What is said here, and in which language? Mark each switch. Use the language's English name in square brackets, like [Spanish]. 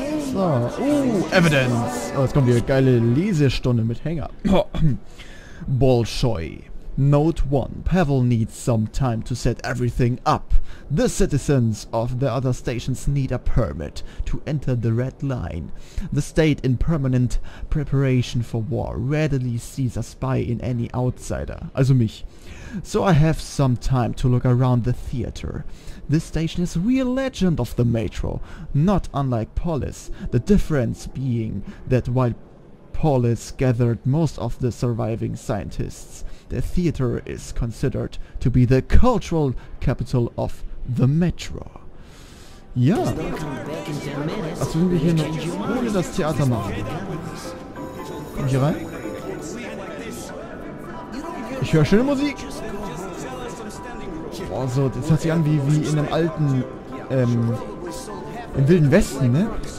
[German] So, Evidence. Oh, jetzt kommt die geile Lesestunde mit Hänger. Bolshoi. [English] Note 1. Pavel needs some time to set everything up. The citizens of the other stations need a permit to enter the Red Line. The state in permanent preparation for war readily sees a spy in any outsider. [German] Also mich. [English] So I have some time to look around the theater. This station is a real legend of the Metro, not unlike Polis. The difference being that while Polis gathered most of the surviving scientists, the theater is considered to be the cultural capital of the Metro. [German] Ja. Was würden wir hier noch ohne das Theater machen? Komm hier rein. Ich höre schöne Musik. Boah, so, das hört sich an wie in einem alten, im Wilden Westen, ne?